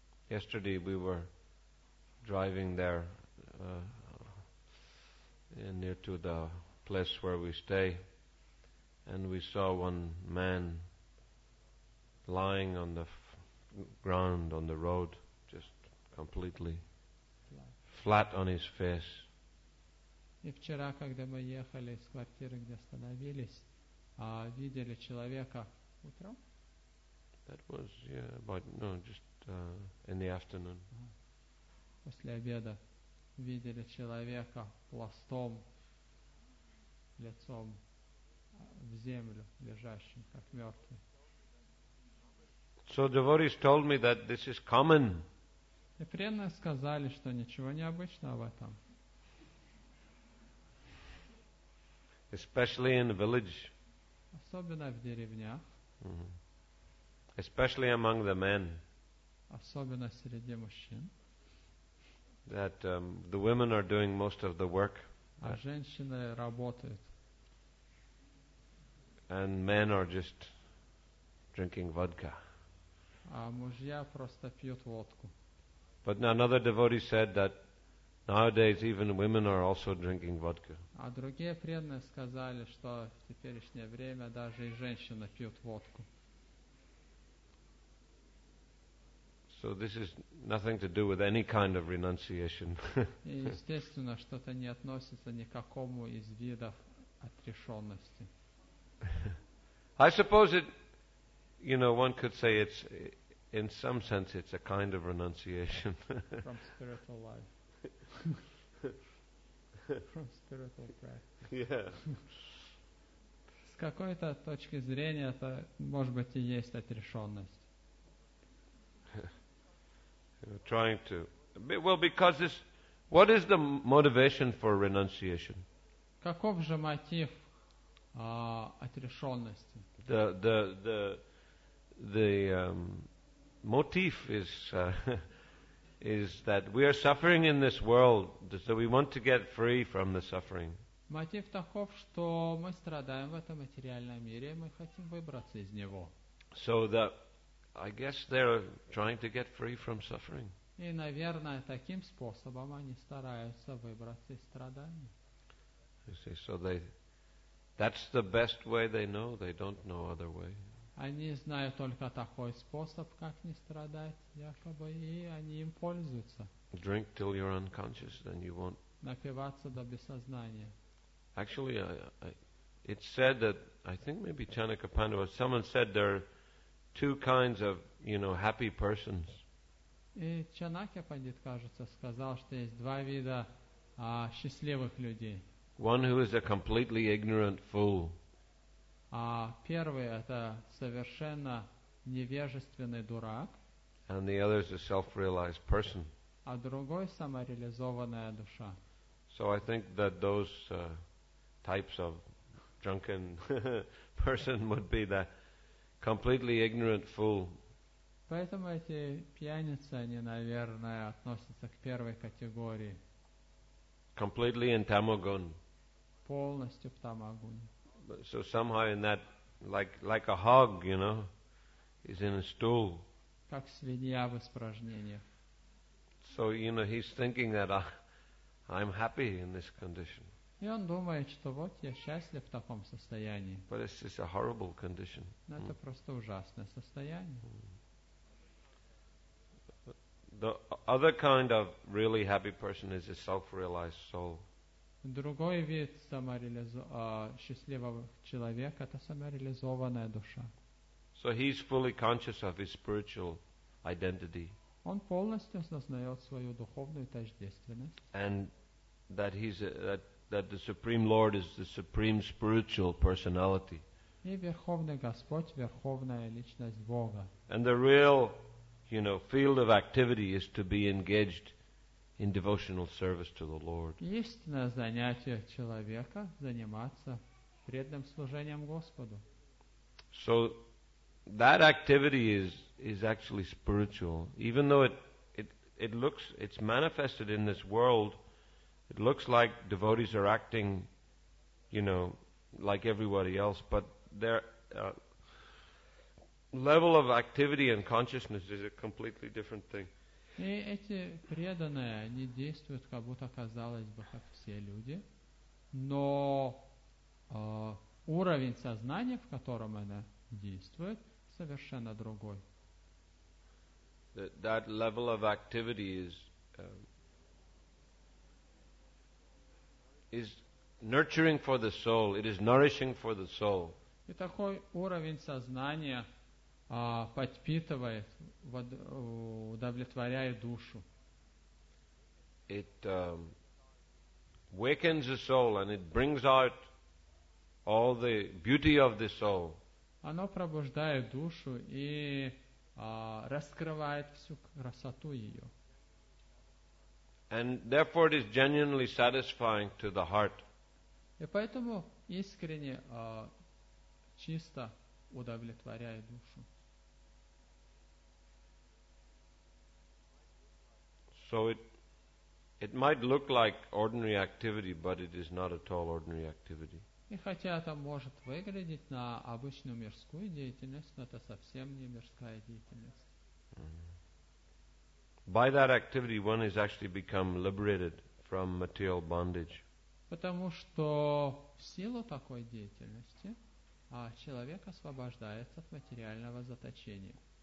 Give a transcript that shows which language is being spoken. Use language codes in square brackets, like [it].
[en] Yesterday we were driving there near to the place where we stay, and we saw one man lying on the ground on the road, just completely flat on his face. [ru] И вчера, когда мы ехали из квартиры, где остановились, видели человека утром. [en] That was in the afternoon. [ru] После обеда видели человека пластом, лицом в землю, лежащим, как мертвый. [en] So devotees told me that this is common. [ru] И преданные сказали, что ничего необычного в этом. [en] Especially in the village. [ru] Особенно в деревнях. [en] Especially among the men. [ru] Особенно среди мужчин. [en] That the women are doing most of the work. [ru] А женщины работают. [en] And men are just drinking vodka. [ru] А мужья просто пьют водку. [en] But another devotee said that nowadays even women are also drinking vodka. [ru] А другие преданные сказали, что в теперешнее время даже и женщины пьют водку. [en] So this is nothing to do with any kind of renunciation. [ru] Естественно, что-то не относится ни к какому из видов отрешенности. [en] I suppose it, you know, one could say it's, in some sense, it's a kind of renunciation. From spiritual life. From spiritual practice. Yeah. [ru] С какой-то точки зрения это, может быть, и есть отрешенность. [en] Trying to, well, because this, what is the motivation for renunciation? [ru] Каков же мотив отрешенности? [en] The motif is is that we are suffering in this world, so we want to get free from the suffering. [ru] Мотив таков, что мы страдаем в этом материальном мире, мы хотим выбраться из него. [en] So that, I guess they're trying to get free from suffering. [ru] И, наверное, таким способом они стараются выбраться из страданий. [en] You see, so they, that's the best way they know, they don't know other way. [ru] Они знают только такой способ, как не страдать, якобы, и они им пользуются. [en] Drink till you're unconscious, then you won't. [ru] Напиваться до бессознания. [en] Actually, it's said that, I think maybe Chanaka Pandava, someone said there are two kinds of, you know, happy persons. [ru] И Чанакья Пандит, кажется, сказал, что есть два вида счастливых людей. [en] One who is a completely ignorant fool. [ru] А первый – это совершенно невежественный дурак. [en] And the other is a self-realized person. [ru] А другой – самореализованная душа. [en] So I think that those types of drunken person would be the completely ignorant fool. [ru] Поэтому эти пьяницы, они, наверное, относятся к первой категории. [en] Completely in tamogun. [ru] Полностью в тамагуне. [en] So somehow in that, like a hog, you know, is in a stool. [ru] Как свинья в испражнениях. [en] So, you know, he's thinking that I'm happy in this condition. [ru] И он думает, что вот я счастлив в таком состоянии. [en] But it's just a horrible condition. [ru] Но это просто ужасное состояние. [en] The other kind of really happy person is a self-realized soul. [ru] Другой вид счастливого человека – это самореализованная душа. [en] So he's fully conscious of his spiritual identity. [ru] Он полностью осознает свою духовную тождественность. [en] And that he's that the Supreme Lord is the supreme spiritual personality. [ru] И Верховный Господь – верховная личность Бога. [en] And the real, you know, field of activity is to be engaged in devotional service to the Lord. [ru] Истинное занятие человека – заниматься преданным служением Господу. [en] So that activity is actually spiritual, even though it looks, it's manifested in this world. It looks like devotees are acting, you know, like everybody else, but their level of activity and consciousness is a completely different thing. [ru] И эти преданные, они действуют, как будто, казалось бы, как все люди, но уровень сознания, в котором они действуют, совершенно другой. [en] That level of activity is nurturing for the soul. It is nourishing for the soul. [ru] И такой уровень сознания подпитывает, удовлетворяет душу. [en] It wakens the soul and it brings out all the beauty of the soul. [ru] Оно пробуждает душу и раскрывает всю красоту ее. [en] And therefore it is genuinely satisfying to the heart. [ru] И поэтому искренне, чисто удовлетворяет душу. [en] So it might look like ordinary activity, but it is not at all ordinary activity. [ru] И хотя это может выглядеть на обычную мирскую деятельность, но это совсем не мирская деятельность. [en] By that activity, one has actually become liberated from material bondage. [ru] Потому что в силу такой деятельности человек освобождается от материального заточения.